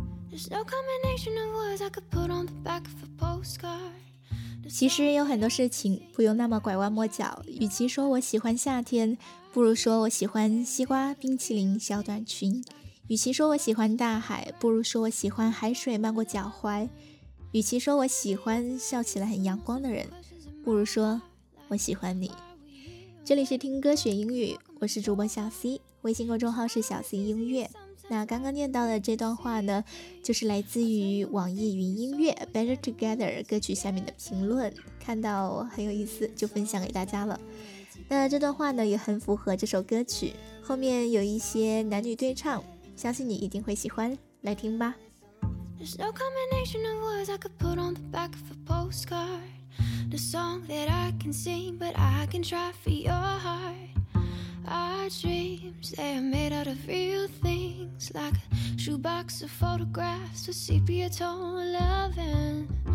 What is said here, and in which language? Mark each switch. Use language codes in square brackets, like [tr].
[en] There's no combination of words I could put on the back of a postcard。 [zh] 其实有很多事情不用那么拐弯抹角，与其说我喜欢夏天，不如说我喜欢西瓜、冰淇淋、小短裙；与其说我喜欢大海，不如说我喜欢海水漫过脚踝；与其说我喜欢笑起来很阳光的人，不如说我喜欢你。这里是听歌学英语，我是主播小 C， 微信公众号是小 C 音乐。那刚刚念到的这段话呢，就是来自于网易云音乐 Better Together 歌曲下面的评论，看到很有意思就分享给大家了。那这段话呢也很符合这首歌曲，后面有一些男女对唱，相信你一定会喜欢，来听吧。 [en] There's no combination of words I could put on the back of a postcard. The song that I can sing but I can try for your heartOur dreams, they are made out of real things Like a shoebox of photographs with sepia tone loving